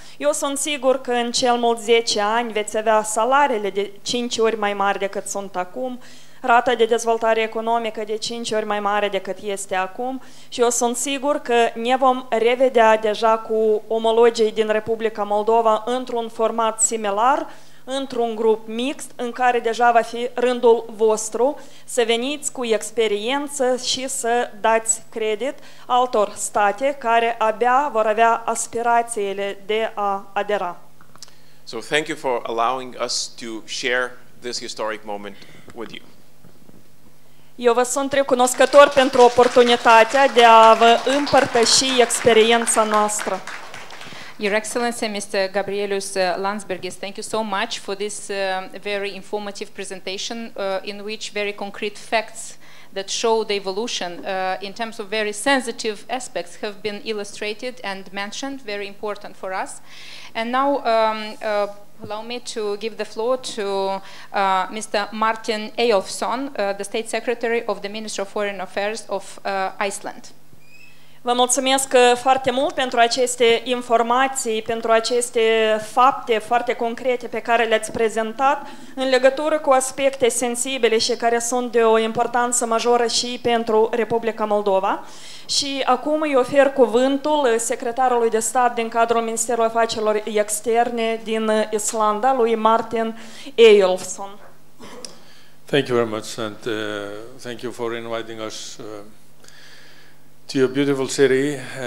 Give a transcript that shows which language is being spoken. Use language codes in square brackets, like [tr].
[ro] Eu sunt sigur că în cel mult 10 ani veți avea salariile de 5 ori mai mari decât sunt acum, rata de dezvoltare economică de 5 ori mai mare decât este acum și eu sunt sigur că ne vom revedea deja cu omologii din Republica Moldova într-un format similar, într-un grup mixt, în care deja va fi rândul vostru să veniți cu experiență și să dați credit altor state care abia vor avea aspirațiile de a adera. [en] So thank you for allowing us to share this historic moment with you. [ro] Eu vă sunt recunoscător pentru oportunitatea de a vă împărtăși experiența noastră. [en] Your Excellency, Mr. Gabrielius Landsbergis, thank you so much for this very informative presentation in which very concrete facts that show the evolution in terms of very sensitive aspects have been illustrated and mentioned, very important for us. And now, allow me to give the floor to Mr. Martin Eyjolfsson, the State Secretary of the Ministry of Foreign Affairs of Iceland. [ro] Vă mulțumesc foarte mult pentru aceste informații, pentru aceste fapte foarte concrete pe care le-ați prezentat în legătură cu aspecte sensibile și care sunt de o importanță majoră și pentru Republica Moldova. Și acum îi ofer cuvântul secretarului de stat din cadrul Ministerului Afacerilor Externe din Islanda, lui Martin Eyjolfsson. [en] Thank you very much and thank you for inviting us to your beautiful city.